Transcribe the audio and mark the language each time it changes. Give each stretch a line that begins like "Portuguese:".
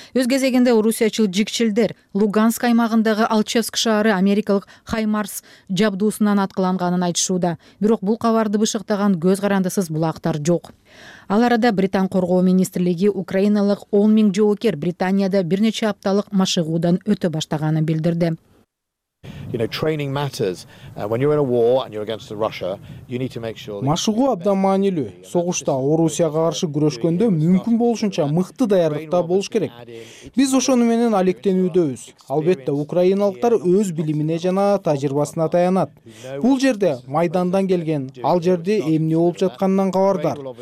Kyrgyz: Өз кезегинде орусиячыл жикчилдер Луганск аймагындагы Алчевск шаары америкалык Хаймарс жабдуусунан аткыланганын айтышууда. Бирок бул кабарды бышыктаган көз карандысыз булактар жок. Ал арада Британ коргоо министрлиги украиналык 10 000 жоокер Британияда бир нече апталык машыгуудан өтө баштаганын билдирди.
English: Training matters. When you're in a war and you're against Russia, you need to make sure.
Kyrgyz: Машыгу абдан маанилүү. Согушта Орусияга каршы күрөшкөндө мүмкүн болушунча мыкты даярдыкта болуш керек. Биз ошону менен алектенүүдөбүз. Албетте, украиналыктар өз билимине жана тажрыйбасына таянат. Бул жерде майдандан келген, ал жерде эмне болуп жаткандан кабардар.